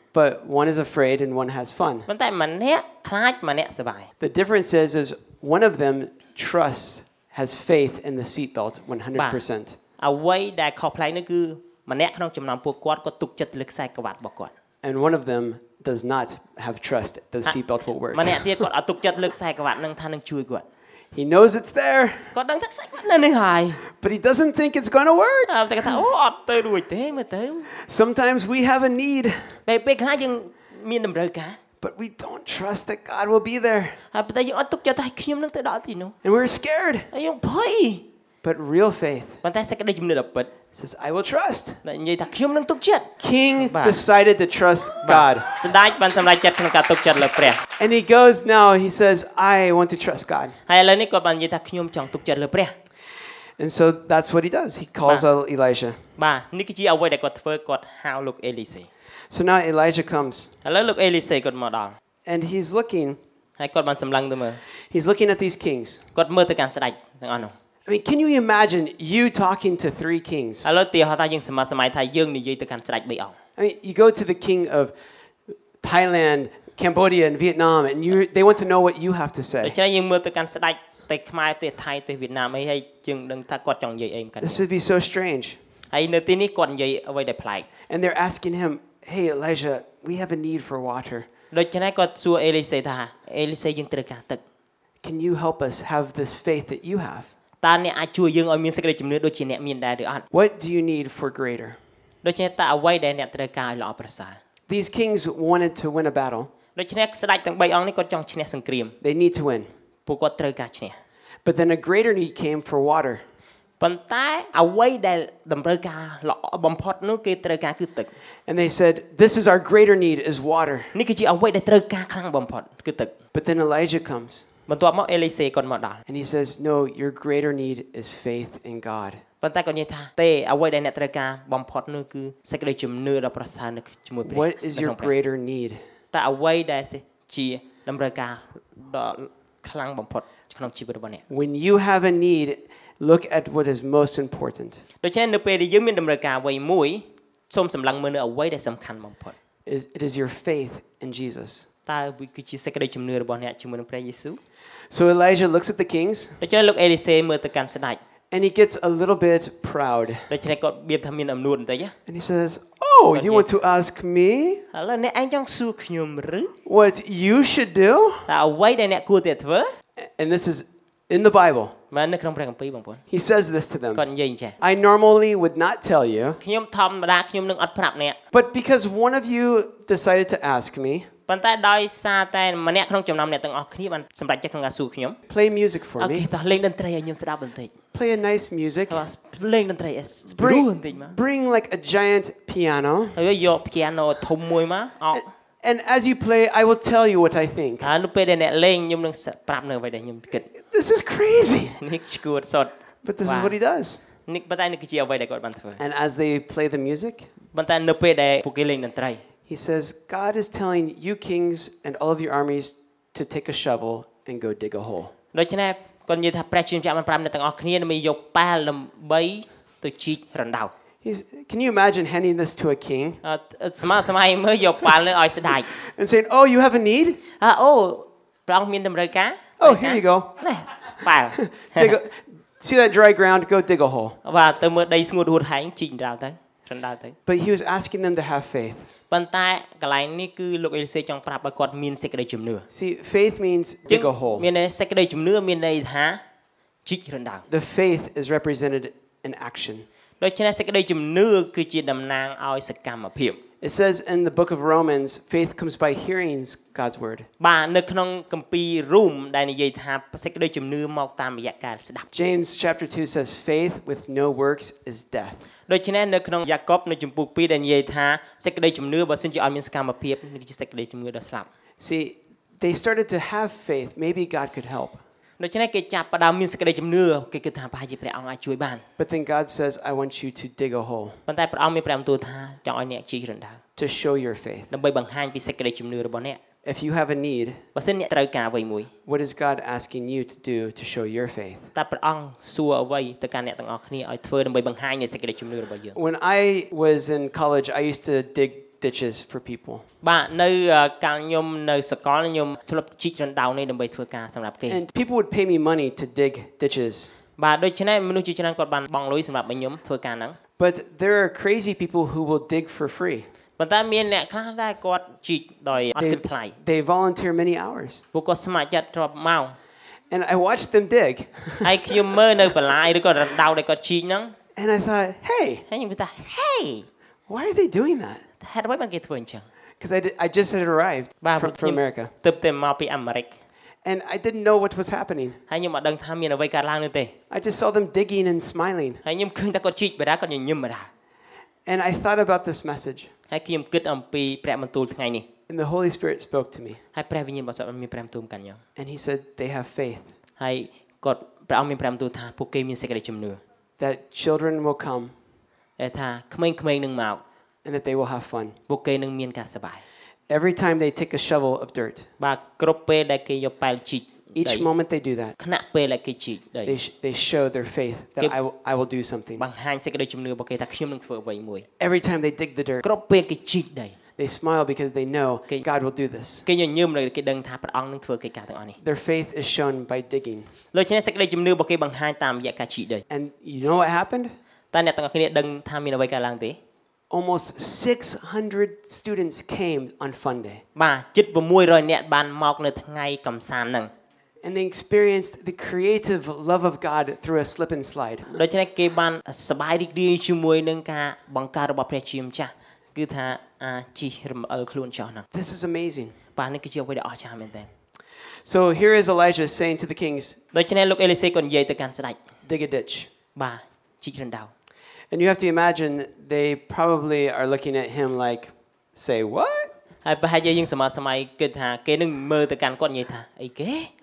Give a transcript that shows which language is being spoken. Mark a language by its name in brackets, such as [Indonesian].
[English] but one is afraid and one has fun [Khmer] ប៉ុន្តែម្នាក់ខ្លាចម្នាក់សប្បាយ [English] the difference is one of them trusts has faith in the seat belt 100% [Khmer] អ្វីដែលខុសប្លែកនោះគឺម្នាក់ក្នុងចំណោមពួកគាត់ក៏ទុកចិត្តលើខ្សែក្រវ៉ាត់របស់គាត់ [English] And one of them does not have trust the seat belt will work [Khmer] ម្នាក់ទៀតគាត់អត់ទុកចិត្តលើខ្សែក្រវ៉ាត់នឹងថានឹងជួយគាត់ [English] He knows it's there [Khmer] គាត់ដឹងថាខ្សែក្រវ៉ាត់នៅនេះហើយ [English] But he doesn't think it's going to work [Khmer] តែគាត់ថាអូអត់ទៅរួចទេមើលទៅ [English] Sometimes we have a need [Khmer] ពេលខ្លះយើងមានតម្រូវការ [English] But we don't trust that God will be there [Khmer] ហើយបន្តយើងអត់ទុកចិត្តថាខ្ញុំនឹងទៅដល់ទីនោះ [English] And we're scared [Khmer] ហើយយើងភ័យ [English] But real faith [Khmer] បន្តសក្តិជំនឿដ៏ពិត [English] Says I will trust. [Khmer] ណែនិយាយថាខ្ញុំនឹងទុកចិត្ត. [English] King decided to trust God. [Khmer] ស្ដេចបានសម្រេចចិត្តក្នុងការទុកចិត្តលើព្រះ. [English] And he goes now he says I want to trust God. [Khmer] ហើយឥឡូវនេះគាត់បាននិយាយថាខ្ញុំចង់ទុកចិត្តលើព្រះ. [English] And so that's what he does. He calls Elijah. [Khmer] បាទនេះគឺជាអ្វីដែលគាត់ធ្វើគាត់ហៅលោកអេលីសេ. [English] So now Elijah comes. [Khmer] ឥឡូវលោកអេលីសេគាត់មកដល់. [English] And he's looking. [Khmer] ហើយគាត់បានសម្លឹងទៅមើល. [English] He's looking at these kings. [Khmer] គាត់មើលទៅកាន់ស្ដេចទាំងអស់នោះ. [English] I mean, can you imagine you talking to 3 kings? [Khmer] ឥឡូវទីហោះថាយើងសម័សម័យថាយើងនិយាយទៅកាន់ស្ដេច3អង្គ [English] I mean, you go to the king of Thailand, Cambodia and Vietnam and they want to know what you have to say. [Khmer] ដូច្នេះយើងមើលទៅកាន់ស្ដេចទៅខ្មែរទៅថៃទៅវៀតណាមអីហើយយើងដឹងថាគាត់ចង់និយាយអីមក គ្នា [English] This would be so strange. [Khmer] ហើយនៅទីនេះគាត់និយាយអ្វីដែលប្លែក [English] And they're asking him, "Hey Elijah, we have a need for water." [Khmer] ដូច្នេះគាត់សួរអេលីសេថាអេលីសេយើងត្រូវការទឹក [English] Can you help us have this faith that you have? [Khmer] តើអ្នកអាចជួយយើងឲ្យមានសេចក្តីជំនឿដូចជាអ្នកមានដែរឬអត់ [English] What do you need for greater? [Khmer] ដូច្នេះតើអ្វីដែលអ្នកត្រូវការឲ្យល្អប្រសើរ [English] These kings wanted to win a battle. [Khmer] ដូច្នេះស្ដេចទាំង3អង្គនេះគាត់ចង់ឈ្នះសង្គ្រាម [English] They need to win. [Khmer] ពួកគាត់ត្រូវការឈ្នះ [English] But then a greater need came for water. [Khmer] ប៉ុន្តែអ្វីដែលតម្រូវការល្អបំផុតនោះគេត្រូវការគឺទឹក [English] And they said this is our greater need is water. [Khmer] នេះគឺជាអ្វីដែលត្រូវការខ្លាំងបំផុតគឺទឹក [English] But then Elijah comes. [Khmer] បន្ទាប់មកអេលីសេគាត់មកដល់ [English] And he says no your greater need is faith in God [Khmer] ប៉ុន្តែគាត់និយាយថាទេអ្វីដែលអ្នកត្រូវការបំផុតនោះគឺសេចក្តីជំនឿដ៏ប្រសើរនៅជាមួយព្រះ [English] What is your greater need [Khmer] តើអ្វីដែលជាតម្រូវការដ៏ខ្លាំងបំផុតក្នុងជីវិតរបស់អ្នក [English] When you have a need look at what is most important [Khmer] ដូច្នេះនៅពេលដែលយើងមានតម្រូវការអ្វីមួយសូមសម្លឹងមើលនៅអ្វីដែលសំខាន់បំផុត [English] It is your faith in Jesus [Khmer] តើវិគឺជាសេចក្តីជំនឿរបស់អ្នកជាមួយនឹងព្រះយេស៊ូវ [English] So Elijah looks at the kings. [Khmer] ដូច្នេះលោកអេលីសេមើលទៅកាន់ស្ដេច [English] And he gets a little bit proud. [Khmer] ដូច្នេះគាត់មានថាមានអំនួតបន្តិចណា [English] And he says, "Oh, you want to ask me?" [Khmer] ហើយអ្នកឯងចង់សួរខ្ញុំឬ [English] What you should do? [Khmer] តើអ្វីដែលអ្នកគួរតែធ្វើ [English] And this is in the Bible. [Khmer] មែននៅក្នុងព្រះគម្ពីរបងប្អូន [English] He says this to them. [Khmer] គាត់និយាយអញ្ចឹង [English] I normally would not tell you. [Khmer] ខ្ញុំធម្មតាខ្ញុំនឹងអត់ប្រាប់អ្នក [English] But because one of you decided to ask me, [Khmer] ប៉ុន្តែដោយសារតែម្នាក់ក្នុងចំណោមអ្នកទាំងអស់គ្នាបានសម្រេចចិត្តក្នុងការសួរខ្ញុំ [English] Play music for me. [Khmer] អូខេតោះលេងតន្ត្រីឲ្យខ្ញុំស្ដាប់បន្តិច [English] Play a nice music. [Khmer] ហើយលេងតន្ត្រីឲ្យស្ព្រូបន្តិចមក [English] Bring like a giant piano. [Khmer] ហើយយក piano ធំមួយមកអូ [English] And as you play, I will tell you what I think. [Khmer] ហើយនៅពេលដែលអ្នកលេងខ្ញុំនឹងប្រាប់នៅអ្វីដែលខ្ញុំគិត [English] This is crazy. [Khmer] នេះឈួតសុត [English] But this is what he does. [Khmer] នេះបន្តែនេះគឺជាអ្វីដែលគាត់បានធ្វើ [English] And as they play the music, [Khmer] បន្តែនៅពេលដែលពួកគេលេងតន្ត្រី [English] He says, God is telling you kings and all of your armies to take a shovel and go dig a hole. [Khmer] ដូច្នេះគាត់និយាយថាព្រះជាម្ចាស់បានប្រាប់អ្នកទាំងអស់គ្នាឲ្យយកប៉ែលដើម្បីទៅជីករណ្ដៅ [English] Can you imagine handing this to a king? It's my time [Khmer] យកប៉ែលនឹងឲ្យស្ដេច [English] And saying, oh, you have a need? [Khmer] ព្រះអង្គមានតម្រូវការ [English] Oh, here you go. [Khmer] នេះប៉ែល [English] See that dry ground? Go dig a hole. [Khmer] បាទទៅមើលដីស្ងួតហួតហែងជីករណ្ដៅទៅរណ្ដៅទៅ [English] But he was asking them to have faith. [Khmer] ប៉ុន្តែកន្លែងនេះគឺលោកអេលីសេចង់ប្រាប់ឲ្យគាត់មានសេចក្តីជំនឿ [English] See faith means dig a hole [Khmer] មានសេចក្តីជំនឿមានន័យថាជីករណ្ដៅ [English] The faith is represented in action [Khmer] ដូច្នេះសេចក្តីជំនឿគឺជាតំណាងឲ្យសកម្មភាព [English] It says in the book of Romans faith comes by hearing God's word [Khmer] បាទនៅក្នុងគម្ពីររ៉ូមដែលនិយាយថាសេចក្តីជំនឿមកតាមរយៈការស្ដាប់ [English] James chapter 2 says faith with no works is death [Khmer] ដូច្នេះនៅក្នុងយ៉ាកបនៅជំពូក2ដែលនិយាយថាសេចក្តីជំនឿបើសិនជាអត់មានសកម្មភាពនឹងជាសេចក្តីជំនឿដ៏ស្លាប់ [English] See they started to have faith maybe God could help [Khmer] ដូច្នេះគេចាប់ផ្ដើមមានសេចក្តីជំនឿគេគិតថាប្រហែលជាព្រះអង្គអាចជួយបាន [English] But then God says I want you to dig a hole [Khmer] ប៉ុន្តែព្រះអង្គមានព្រះបន្ទូលថាចង់ឲ្យអ្នកជីករណ្ដៅ [English] To show your faith [Khmer] ដើម្បីបង្ហាញពីសេចក្តីជំនឿរបស់អ្នក [English] If you have a need [Khmer] បើសិនអ្នកត្រូវការអ្វីមួយ [English] What is God asking you to do to show your faith [Khmer] តើព្រះអង្គសួរអ្វីទៅកាន់អ្នកទាំងអស់គ្នាឲ្យធ្វើដើម្បីបង្ហាញនូវសេចក្តីជំនឿរបស់យើង [English] When I was in college I used to dig ditches for people [Khmer] បាទនៅកាលខ្ញុំនៅសកលខ្ញុំធ្លាប់ជីករណ្ដៅនេះដើម្បីធ្វើការសម្រាប់គេ [English] And people would pay me money to dig ditches [Khmer] បាទដូច្នេះមនុស្សជាច្រើនគាត់បានបង់លុយសម្រាប់ខ្ញុំធ្វើការហ្នឹង [English] But there are crazy people who will dig for free [Khmer] ប៉ុន្តែមានអ្នកខ្លះដែរគាត់ជីកដោយអត់គិតថ្លៃ [English] They volunteer many hours [Khmer] ពួកគាត់ស្ម័គ្រចិត្តរាប់ម៉ោង [English] And I watched them dig [Khmer] ហើយខ្ញុំមើលនៅបន្លាយឬក៏រណ្ដៅដែលគាត់ជីកហ្នឹង [English] And I thought hey [Khmer] ហើយខ្ញុំថា hey [English] why are they doing that [Khmer] ហេតុអ្វីបានគេធ្វើអញ្ចឹង [English] Because I just had arrived from America [Khmer] ទៅតែមកពីអាមេរិក [English] And I didn't know what was happening [Khmer] ហើយខ្ញុំមិនដឹងថាមានអ្វីកើតឡើងនោះទេ [English] I just saw them digging and smiling [Khmer] ហើយខ្ញុំឃើញតែគាត់ជីកបែរគាត់ញញឹមបែរ [English] And I thought about this message [Khmer] ហើយខ្ញុំគិតអំពីព្រះបន្ទូលថ្ងៃនេះ [English] And the Holy Spirit spoke to me [Khmer] ហើយព្រះវិញ្ញាណបានសួរមានព្រះបន្ទូលកាន់ខ្ញុំ [English] And he said they have faith [Khmer] ហើយគាត់ព្រះអង្គមានព្រះបន្ទូលថាពួកគេមានសេចក្តីជំនឿ [English] That children will come [Khmer] ហើយថាក្មេងៗនឹងមក [English] And that they will have fun [Khmer] ពួកគេនឹងមានការសប្បាយ [English] Every time they take a shovel of dirt [Khmer] បាទគ្រប់ពេលដែលគេយកប៉ែលជីក [English] Each moment they do that [Khmer] ខណៈពេលដែលគេជីកដែរ [English] They show their faith that I will do something [Khmer] បង្ហាញសេចក្តីជំនឿរបស់គេថាខ្ញុំនឹងធ្វើអ្វីមួយ [English] Every time they dig the dirt [Khmer] គ្រប់ពេលគេជីកដែរ [English] They smile because they know God will do this [Khmer] គេញញឹមនៅគេដឹងថាព្រះអង្គនឹងធ្វើកិច្ចការទាំងអស់នេះ [English] Their faith is shown by digging [Khmer] លោកជាសេចក្តីជំនឿរបស់គេបង្ហាញតាមរយៈការជីកដែរ [English] And you know what happened [Khmer] តើអ្នកទាំងអស់គ្នាដឹងថាមានអ្វីកើតឡើងទេ [English] Almost 600 students came on Fun Day [Khmer] បាទជិត600នាក់បានមកនៅថ្ងៃកំសាន្តហ្នឹង [English] And they experienced the creative love of God through a slip and slide. [Khmer] ដូច្នេះគេបានសប្បាយរីករាយជាមួយនឹងការបង្កើតរបស់ព្រះជាម្ចាស់គឺថាអាចជិះរំអិលខ្លួនចុះហ្នឹង [English] This is amazing. [Khmer] បាទនេះគឺជាអ្វីដែលអស្ចារ្យមែនទែន [English] So here is Elijah saying to the kings. [Khmer] ដូច្នេះលោកអេលីសេក៏និយាយទៅកាន់ស្ដេច [English] Dig a ditch. [Khmer] បាទជីករណ្ដៅ [English] And you have to imagine they probably are looking at him like say what? [Khmer] ហើយបហើយយើងសមាសម័យគិតថាគេនឹងមើលទៅកាន់គាត់និយាយថាអីគេ